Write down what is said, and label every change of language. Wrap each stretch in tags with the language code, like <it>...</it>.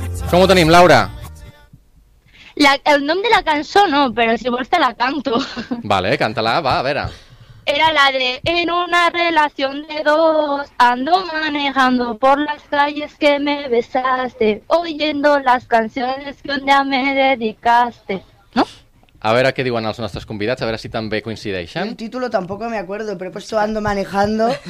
<ca>Com ho tenim, Laura? El nom de la cançó no, però si vols te la canto. Vale, canta-la, va, a veure.</ca> <es>Era la de En una relación de dos ando manejando por las calles que me besaste oyendo las canciones que un día me dedicaste. ¿No?</es> <ca>A veure què diuen els nostres convidats, a veure si també coincideixen.</ca> <es>El título tampoco me acuerdo, pero he puesto Ando manejando.</es>